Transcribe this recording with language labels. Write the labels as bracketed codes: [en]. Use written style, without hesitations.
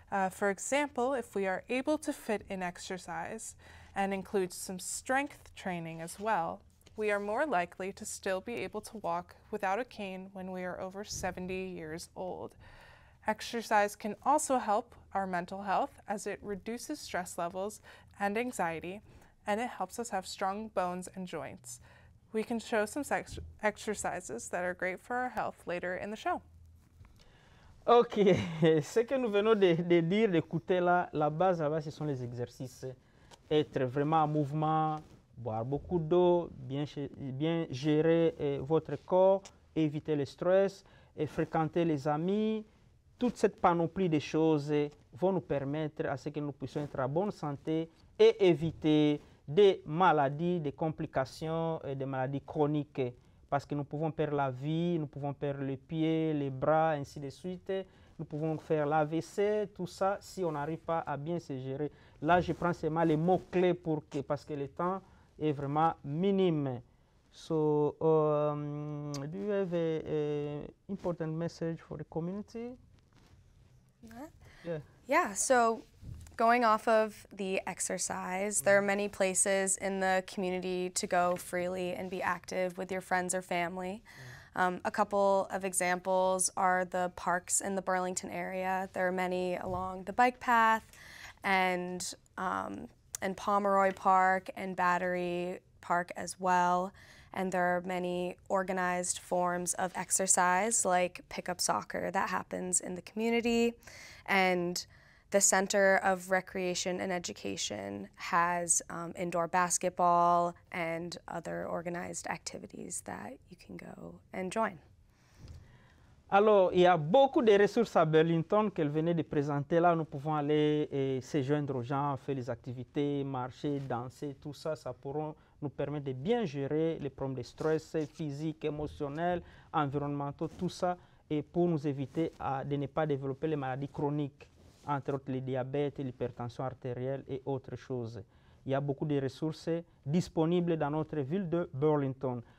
[en] For example, if we are able to fit in exercise and include some strength training as well, we are more likely to still be able to walk without a cane when we are over 70 years old. Exercise can also help our mental health as it reduces stress levels and anxiety, and it helps us have strong bones and joints. We can show some exercises that are great for our health later in the show. OK. [fr] Ce que nous venons de dire, d'écouter là, la base là-bas, ce sont les exercices. Être vraiment en mouvement, boire beaucoup d'eau, bien gérer votre corps, éviter le stress, et fréquenter les amis. Toute cette panoplie de choses vont nous permettre à ce que nous puissions être en bonne santé et éviter des maladies, des complications et des maladies chroniques. Parce que nous pouvons perdre la vie, nous pouvons perdre les pieds, les bras, ainsi de suite. Nous pouvons faire l'AVC, tout ça, si on n'arrive pas à bien se gérer. Là, je prends seulement les mots-clés pour que, parce que le temps est vraiment minime. [en] So, do you have an important message for the community? Yeah, so going off of the exercise, there are many places in the community to go freely and be active with your friends or family. A couple of examples are the parks in the Burlington area. There are many along the bike path and Pomeroy Park and Battery Park as well. And there are many organized forms of exercise like pickup soccer that happens in the community. And the Center of Recreation and Education has indoor basketball and other organized activities that you can go and join. [fr] Alors, il y a beaucoup de ressources à Burlington qu'elle venait de présenter. Là, nous pouvons aller et se joindre aux gens, faire les activités, marcher, danser, tout ça. Ça pourra nous permettre de bien gérer les problèmes de stress physique, émotionnel, environnemental, tout ça, et pour nous éviter de ne pas développer les maladies chroniques, entre autres les diabètes, l'hypertension artérielle et autres choses. Il y a beaucoup de ressources disponibles dans notre ville de Burlington.